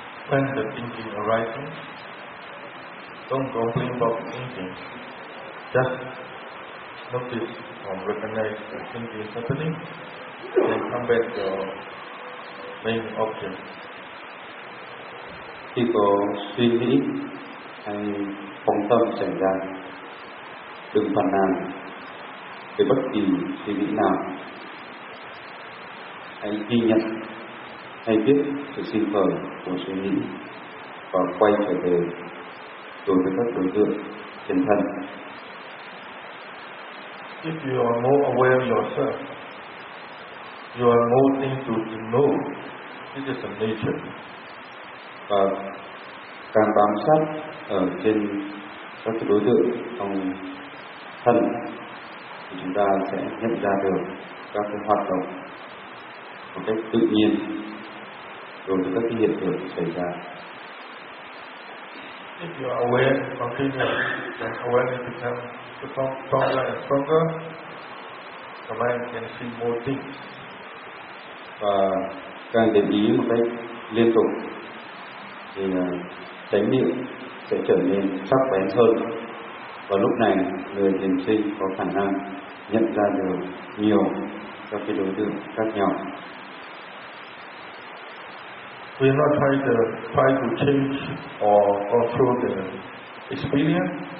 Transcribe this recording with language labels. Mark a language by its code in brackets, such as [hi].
[en] When the thinking arises, don't complain about thinking. Just notice or recognize the thinking happening, then come back to your main object. [vi] Khi có suy nghĩ hay phóng tâm xảy ra, đừng phàn nàn về bất kỳ suy nghĩ nào. Hãy ghi nhận hay biết sự sinh khởi của suy nghĩ và quay trở về đối với các đối tượng chính thân. [en] If you are more aware of yourself, you are more things to know. This is the nature. [vi] Và càng bám sát ở trên các đối tượng trong thân, thì chúng ta sẽ nhận ra được các cái hoạt động một cách tự nhiên đối với các cái hiện tượng xảy ra. [en] If you are aware of yourself, then awareness becomes stronger and stronger. The mind can see more things. [vi] Và càng để ý một cách liên tục thì chánh niệm sẽ trở nên sắc bén hơn, và lúc này người thiền sinh có khả năng nhận ra được nhiều các cái đối tượng khác nhau. [en] We are not trying to try to change or control the experience.